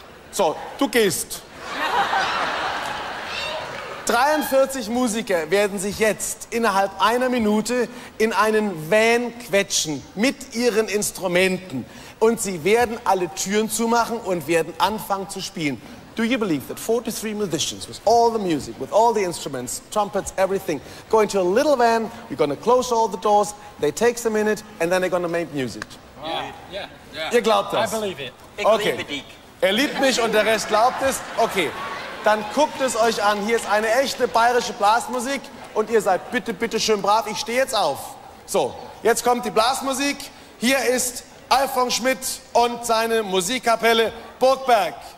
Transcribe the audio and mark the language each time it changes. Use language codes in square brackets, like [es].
[de] So, du gehst. 43 Musiker werden sich jetzt innerhalb einer Minute in einen Van quetschen mit ihren Instrumenten. Und sie werden alle Türen zumachen und werden anfangen zu spielen. [en] Do you believe that 43 musicians with all the music, with all the instruments, trumpets, everything, go into a little van, we're gonna close all the doors, they take a minute and then they're gonna make music. Wow. Yeah. [de] Ihr glaubt das? [en] I believe it. Okay. [de] Er liebt mich und der Rest glaubt es? Okay. Dann guckt es euch an. Hier ist eine echte bayerische Blasmusik und ihr seid bitte, bitte schön brav. Ich stehe jetzt auf. So, jetzt kommt die Blasmusik. Hier ist Alfons Schmidt und seine Musikkapelle Burgberg.